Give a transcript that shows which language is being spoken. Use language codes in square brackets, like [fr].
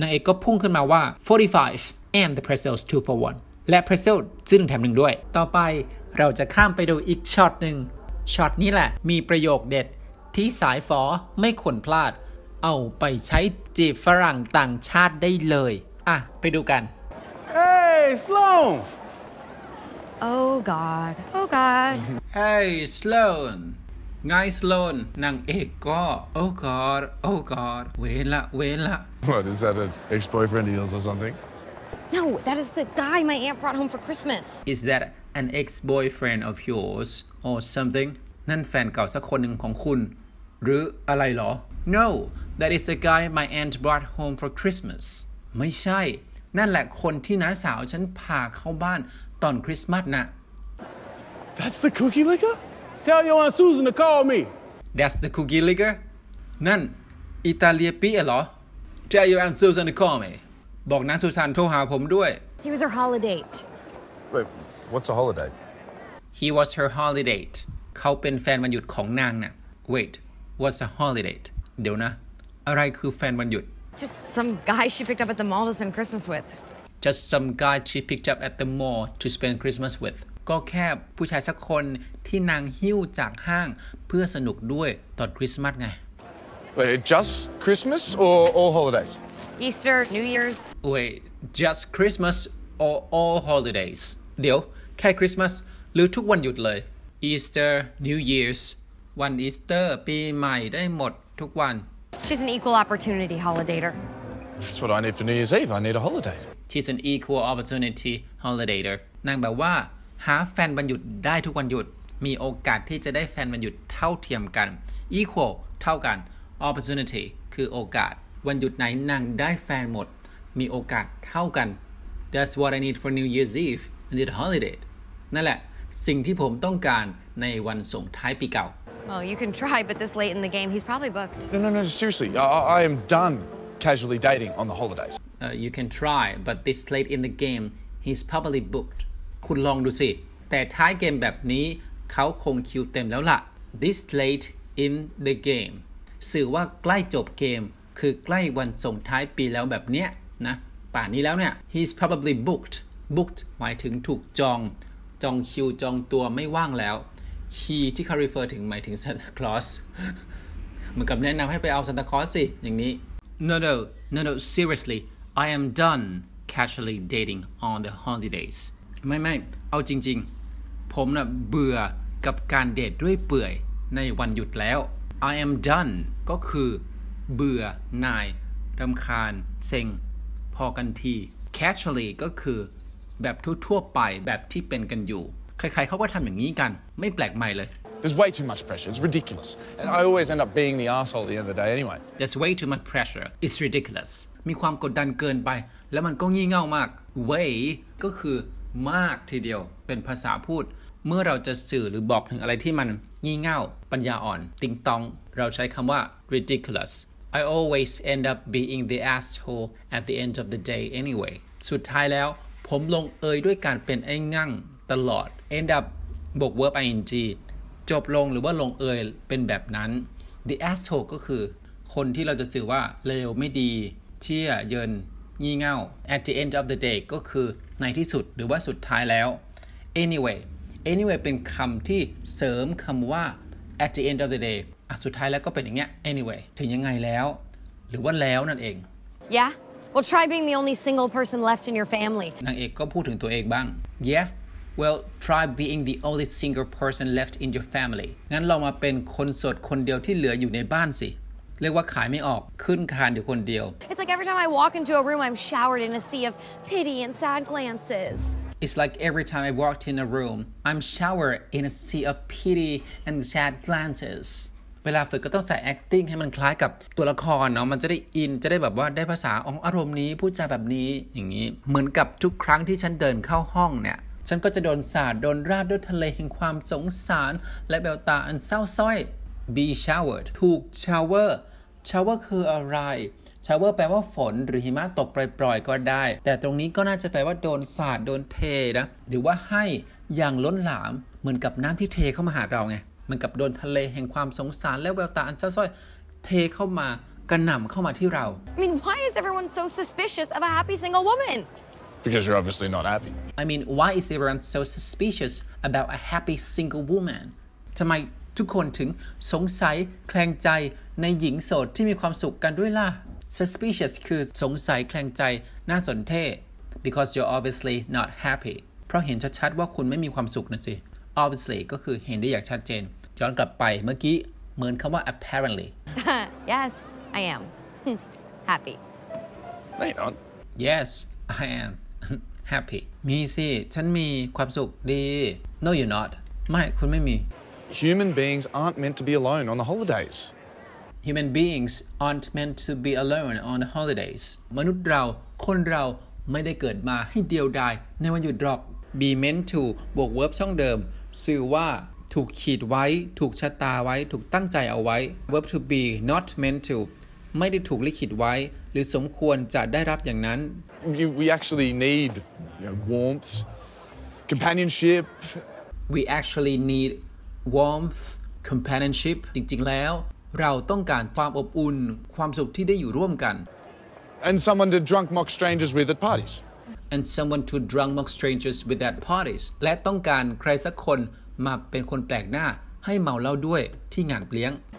[th] นางเอกก็พุ่งขึ้นมาว่า [en] 45 and the pretzels 2 for 1 [th] และ pretzel ซึ่งแถมหนึ่งด้วยต่อไปเราจะข้ามไปดูอีกช็อตหนึ่งช็อตนี้แหละมีประโยคเด็ดที่สายฝอไม่ควรพลาดเอาไปใช้จีบฝรั่งต่างชาติได้เลยอ่ะไปดูกัน [en] Hey Sloan Oh God Oh God Hey Sloan Guy Sloan [th] นางเอกก็ [en] Oh God Oh God [th] เว้นละเว้นละ [en] What is that an ex-boyfriend of yours or something No that is the guy my aunt brought home for Christmas Is that an ex-boyfriend of yours or something? [th] นั่นแฟนเก่าสักคนหนึ่งของคุณหรืออะไรหรอ [en] No, that is a guy my aunt brought home for Christmas. [th] ไม่ใช่นั่นแหละคนที่น้าสาวฉันพาเข้าบ้านตอนคริสต์มาสน่ะ [en] That's the cookie licker? Tell your Aunt Susan to call me. That's the cookie licker? [th] นั่นอิตาเลียปี้เหรอ [en] Tell your Aunt Susan to call me. [th] บอกน้าซูซานโทรหาผมด้วย [en] He was her holidate. Wait, what's a holidate? He was her holidate. [th] เขาเป็นแฟนวันหยุดของนางน่ะ [en] Wait. What's a holidate? [th] เดี๋ยวนะ อะไรคือแฟนวันหยุด [en] Just some guy she picked up at the mall to spend Christmas with. Just some guy she picked up at the mall to spend Christmas with. [th] ก็แค่ผู้ชายสักคนที่นางหิ้วจากห้างเพื่อสนุกด้วยตอนคริสต์มาสไง [en] Wait, just Christmas or all holidays? Easter, New Year's. Wait, just Christmas or all holidays? [th] เดี๋ยวแค่คริสต์มาสหรือทุกวันหยุดเลย [en] Easter, New Year's. [th] วันอีสเตอร์ปีใหม่ได้หมดทุกวัน [en] She's an equal opportunity holidayer. That's what I need for New Year's Eve. I need a holiday. She's an equal opportunity holidayer. [th] นั่นแปลว่าหาแฟนวันหยุดได้ทุกวันหยุดมีโอกาสที่จะได้แฟนวันหยุดเท่าเทียมกัน equal เท่ากัน opportunity คือโอกาสวันหยุดไหนนั่งได้แฟนหมดมีโอกาสเท่ากัน [en] That's what I need for New Year's Eve. I need a holiday. [th] นั่นแหละสิ่งที่ผมต้องการในวันส่งท้ายปีเก่า [en] Well, you can try, but this late in the game, he's probably booked. No, seriously, I am done casually dating on the holidays. You can try, but this late in the game, he's probably booked. [th] คุณลองดูสิแต่ท้ายเกมแบบนี้เขาคงคิวเต็มแล้วล่ะ [en] This late in the game. [th] สื่อว่าใกล้จบเกมคือใกล้วันส่งท้ายปีแล้วแบบเนี้ยนะป่านนี้แล้วเนี่ย [en] He's probably booked. [th] Booked หมายถึงถูกจองจองคิวจองตัวไม่ว่างแล้วHe ที่เขา refer ถึงหมายถึง Santa Claus เหมือนกับแนะนำให้ไปเอา Santa Claus สิอย่างนี้ No, [en] seriously I am done casually dating on the holidays [th] ไม่เอาจริงๆผมน่ะเบื่อกับการเดทด้วยเปื่อยในวันหยุดแล้ว [en] I am done [th] ก็คือเบื่อหน่ายรำคาญเซ็งพอกันที casually ก็คือแบบทั่วๆไปแบบที่เป็นกันอยู่ใครๆเขาก็ทำอย่างนี้กันไม่แปลกใหม่เลย [en] There's way too much pressure. It's ridiculous. And I always end up being the asshole at the end of the day anyway. There's way too much pressure. It's ridiculous. [th] มีความกดดันเกินไปแล้วมันก็งี่เง่ามาก Way ก็คือมากทีเดียวเป็นภาษาพูดเมื่อเราจะสื่อหรือบอกถึงอะไรที่มันงี่เง่าปัญญาอ่อนติงตองเราใช้คำว่า ridiculous. [en] I always end up being the asshole at the end of the day anyway. [th] สุดท้ายแล้วผมลงเอยด้วยการเป็นไอ้งั่งตลอดend up บวก verb ing จบลงหรือว่าลงเอยเป็นแบบนั้น the asshole ก็คือคนที่เราจะสื่อว่าเลวไม่ดีเชี่ยเยินงี่เง่า [en] at the end of the day [th] ก็คือในที่สุดหรือว่าสุดท้ายแล้ว anyway เป็นคำที่เสริมคำว่า at the end of the day สุดท้ายแล้วก็เป็นอย่างเงี้ย anyway ถึงยังไงแล้วหรือว่าแล้วนั่นเอง [en] yeah well try being the only single person left in your family [th] นางเอกก็พูดถึงตัวเองบ้าง [en] yeahWell, try being the only single person left in your family. [th] งั้นลองมาเป็นคนสดคนเดียวที่เหลืออยู่ในบ้านสิเรียกว่าขายไม่ออกขึ้นคานอยู่คนเดียว [en] It's like every time I walk into a room, I'm showered in a sea of pity and sad glances. It's like every time I walked in a room, I'm showered in a sea of pity and sad glances. [th] เวลาฝึกก็ต้องใส่ acting ให้มันคล้ายกับตัวละครเนาะมันจะได้อินจะได้แบบว่าได้ภาษาอารมณ์นี้พูดจาแบบนี้อย่างนี้เหมือนกับทุกครั้งที่ฉันเดินเข้าห้องเนี่ยฉันก็จะโดนสาดโดนราดด้วยทะเลแห่งความสงสารและแววตาอันเศร้าส้อย [en] be showered [th] ถูก shower คืออะไร shower แปลว่าฝนหรือหิมะตกปล่อยๆก็ได้แต่ตรงนี้ก็น่าจะแปลว่าโดนสาดโดนเทนะหรือว่าให้อย่างล้นหลามเหมือนกับน้ำที่เทเข้ามาหาเราไงเหมือนกับโดนทะเลแห่งความสงสารและแววตาอันเศร้าส้อยเทเข้ามากระหน่ำเข้ามาที่เรา [en] I mean why is everyone so suspicious of a happy single woman Because you're obviously not happy. I mean, why is everyone so suspicious about a happy single woman? [th] ทำไมทุกคนถึงสงสัยแคลงใจในหญิงโสดที่มีความสุขกันด้วยล่ะ Suspicious คือสงสัยแคลงใจน่าสนเท่ [en] Because you're obviously not happy. [th] เพราะเห็นชัดๆว่าคุณไม่มีความสุขนะสิ Obviously ก็คือเห็นได้อย่างชัดเจนย้อนกลับไปเมื่อกี้เหมือนคำว่า apparently. [en] yes, I am happy. No, you're not. Yes, I am. [th] happy มีสิฉันมีความสุขดี [en] No you're not [th] ไม่คุณไม่มี [en] Human beings aren't meant to be alone on the holidays Human beings aren't meant to be alone on the holidays [th] มนุษย์เราคนเราไม่ได้เกิดมาให้เดียวดายในวันหยุดหรอก [en] be meant to [th] บวก verb ช่องเดิมสื่อว่าถูกขีดไว้ถูกชะตาไว้ถูกตั้งใจเอาไว้ verb to be not meant to ไม่ได้ถูกลิขิตไว้หรือสมควรจะได้รับอย่างนั้น [en] we actually need you know, warmth companionship we actually need warmth companionship [th] จริงๆแล้วเราต้องการความอบอุ่นความสุขที่ได้อยู่ร่วมกัน [en] And someone to drunk mock strangers with at parties. And someone to drunk mock strangers with at parties. [th] และต้องการใครสักคนมาเป็นคนแปลกหน้าให้เมาเหล้าด้วยที่งานเลี้ยง